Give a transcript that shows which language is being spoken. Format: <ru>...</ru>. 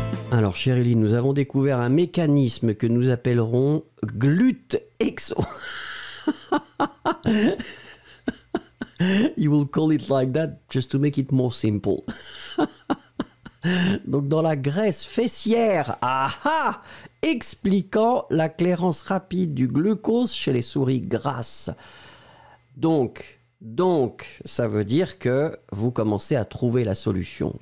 <fr>Alors, Cheryline, nous avons découvert un mécanisme que nous appellerons glute exo.</fr> <en>You will call it like that just to make it more simple.</en> <fr>Donc dans la graisse fessière, aha, expliquant la clairance rapide du glucose chez les souris grasses. Donc ça veut dire que vous commencez à trouver la solution.</fr>